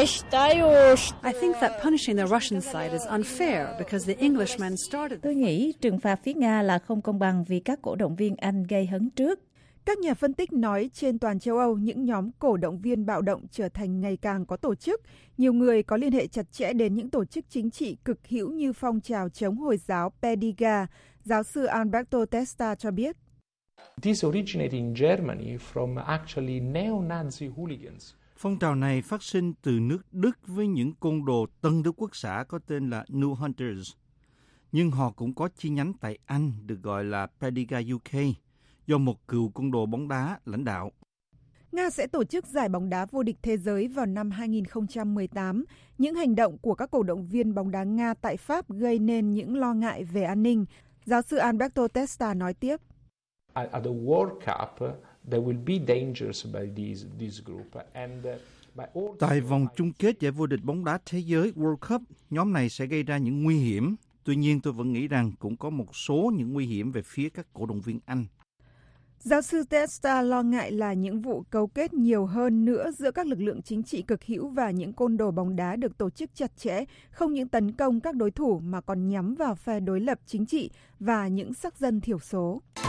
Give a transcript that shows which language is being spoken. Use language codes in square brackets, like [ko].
[vi] Tôi nghĩ trừng phạt phía Nga là không công bằng vì các cổ động viên Anh gây hấn trước. Các nhà phân tích nói trên toàn châu Âu, những nhóm cổ động viên bạo động trở thành ngày càng có tổ chức. Nhiều người có liên hệ chặt chẽ đến những tổ chức chính trị cực hữu như phong trào chống Hồi giáo Pediga, giáo sư Alberto Testa cho biết. [en] This originated in Germany from actually neo-Nazi hooligans. [vi] Phong trào này phát sinh từ nước Đức với những côn đồ tân Đức Quốc xã có tên là New Hunters. Nhưng họ cũng có chi nhánh tại Anh được gọi là Pediga UK do một cựu côn đồ bóng đá lãnh đạo. Nga sẽ tổ chức giải bóng đá vô địch thế giới vào năm 2018. Những hành động của các cổ động viên bóng đá Nga tại Pháp gây nên những lo ngại về an ninh. Giáo sư Alberto Testa nói tiếp. [en] At the World Cup, there will be dangers by this group, and by all. [vi] Tại vòng chung kết giải vô địch bóng đá thế giới World Cup, nhóm này sẽ gây ra những nguy hiểm. Tuy nhiên, tôi vẫn nghĩ rằng cũng có một số những nguy hiểm về phía các cổ động viên Anh. Giáo sư Testa lo ngại là những vụ cấu kết nhiều hơn nữa giữa các lực lượng chính trị cực hữu và những côn đồ bóng đá được tổ chức chặt chẽ, không những tấn công các đối thủ mà còn nhắm vào phe đối lập chính trị và những sắc dân thiểu số.